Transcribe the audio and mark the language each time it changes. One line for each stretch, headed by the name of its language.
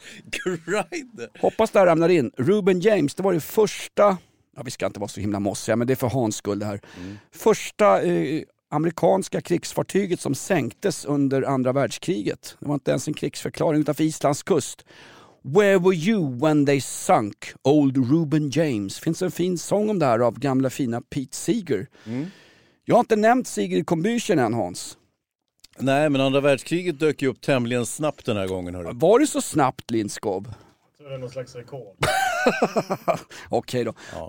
Swedish: Grindr? Hoppas det här ramlar in. Ruben James, det var det första... Ja, vi ska inte vara så himla mossiga, men det är för Hans skull det här. Mm. Första amerikanska krigsfartyget som sänktes under andra världskriget. Det var inte ens en krigsförklaring utanför Islands kust.
English: Where were you when they sunk old Ruben James?
Swedish: Finns en fin sång om det här av gamla fina Pete Seeger. Mm. Jag har inte nämnt Sigrid Kombyschen än, Hans. Nej, men andra världskriget dök ju upp tämligen snabbt den här gången, hörru. Var det så snabbt, Lindskov? Jag tror det är någon slags rekord. Okej då. Ja.